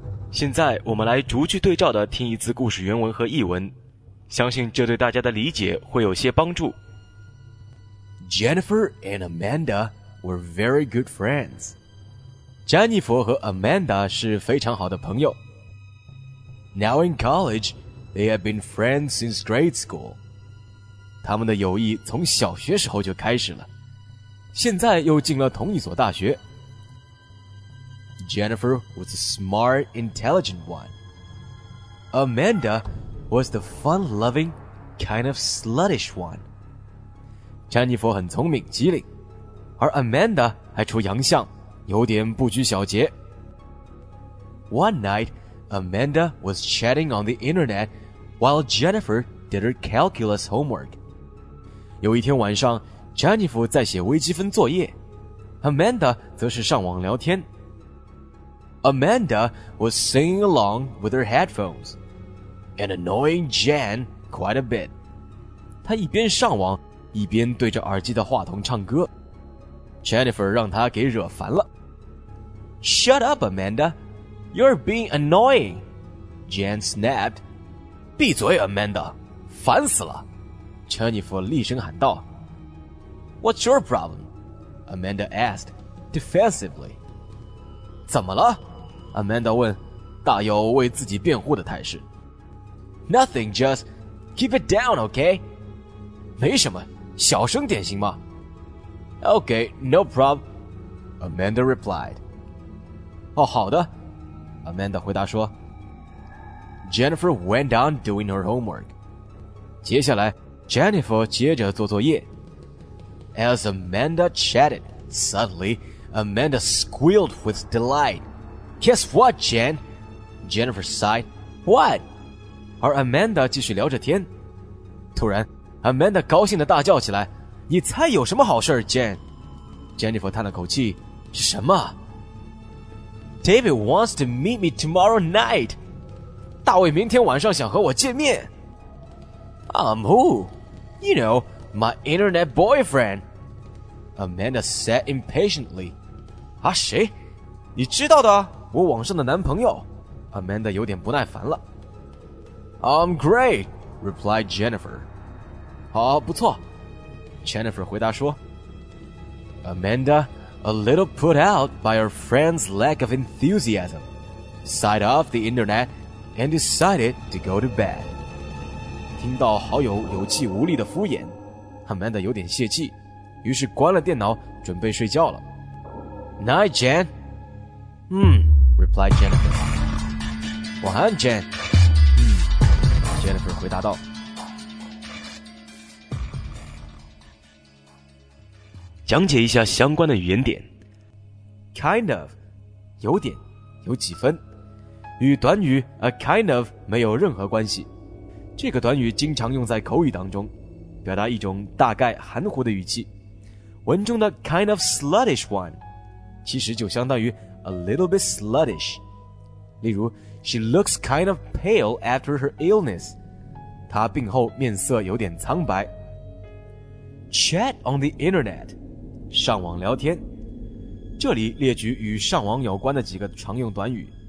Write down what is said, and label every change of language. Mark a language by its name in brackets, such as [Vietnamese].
[Chinese] 现在我们来逐句对照的听一次故事原文和译文，相信这对大家的理解会有些帮助。 [English] Jennifer and Amanda were very good friends. [Chinese] 詹妮佛和 Amanda 是非常好的朋友。 [English] Now in college, they have been friends since grade school. [Chinese] 他们的友谊从小学时候就开始了，现在又进了同一所大学。 [English] Jennifer was a smart, intelligent one. Amanda was the fun-loving, kind of sluttish one. [Chinese] 詹妮佛很聪明机灵，而 Amanda 还出洋相，有点不拘小节。 [English] One night, Amanda was chatting on the internet while Jennifer did her calculus homework. [Chinese] 有一天晚上，詹妮佛在写微积分作业， Amanda 则是上网聊天。 [English] Amanda was singing along with her headphones and annoying Jen quite a bit. [Chinese] 她一边上网一边对着耳机的话筒唱歌。 Jennifer 让她给惹烦了。 [English] Shut up, Amanda. You're being annoying. Jan snapped. [Chinese] 闭嘴 ,Amanda. 烦死了。 Jennifer 厉声喊道。 [English] What's your problem? Amanda asked, defensively. [Chinese] 怎么了? Amanda 问,大有为自己辩护的态势。 [English] Nothing, just keep it down, okay? [Chinese] 没什么,小声点行吗? [English] Okay, no problem, Amanda replied. [Chinese] 哦,好的。Amanda 回答说。 [English] Jennifer went on doing her homework. [Chinese] 接下来 ,Jennifer 接着做作业。 [English] As Amanda chatted, suddenly, Amanda squealed with delight. Guess what, Jen? Jennifer sighed. What? [Chinese] 而 Amanda 继续聊着天。突然 ,Amanda 高兴地大叫起来。你猜有什么好事 ,Jen? Jennifer 叹了口气。什么? [English] David wants to meet me tomorrow night. [Chinese] 大卫明天晚上想和我见面。 [English] Who? You know, my internet boyfriend. Amanda said impatiently. [Chinese] 啊谁? 你知道的啊,我网上的男朋友。Amanda 有点不耐烦了。 [English] Great, replied Jennifer. [Chinese] 好,不错。 Jennifer 回答说。 [English] Amanda... A little put out by her friend's lack of enthusiasm, sighed off the internet and decided to go to bed. [Chinese] 听到好友有气无力的敷衍 ,Amanda 有点泄气,于是关了电脑准备睡觉了。 [English] Night, Jen. Replied Jennifer. [Chinese] 晚安 ,Jen. Jennifer 回答道。讲解一下相关的语言点。 Kind of, 有点，有几分。与短语 a kind of 没有任何关系。这个短语经常用在口语当中，表达一种大概含糊的语气。文中的 [English] kind of sluttish one, [Chinese] 其实就相当于 [English] a little bit sluttish。例如 ,she looks kind of pale after her illness, [Chinese] 她病后面色有点苍白。 [English] Chat on the internet, [Chinese] 上网聊天，这里列举与上网有关的几个常用短语